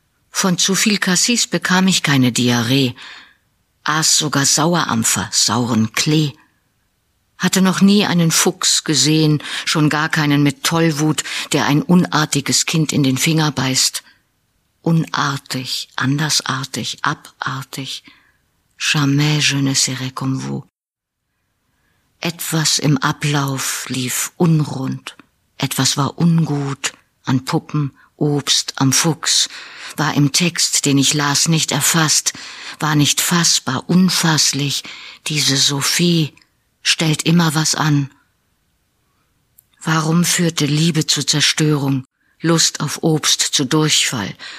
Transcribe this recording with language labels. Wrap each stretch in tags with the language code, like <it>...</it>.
<de>Von zu viel Cassis bekam ich keine Diarrhee, aß sogar Sauerampfer, sauren Klee. Hatte noch nie einen Fuchs gesehen, schon gar keinen mit Tollwut, der ein unartiges Kind in den Finger beißt. Unartig, andersartig, abartig.</de> <fr>Jamais je ne serai comme vous.</fr> <de>Etwas im Ablauf lief unrund. Etwas war ungut an Puppen, Obst, am Fuchs, war im Text, den ich las, nicht erfasst, war nicht fassbar, unfasslich. Diese Sophie stellt immer was an. Warum führte Liebe zu Zerstörung, Lust auf Obst zu Durchfall?</de>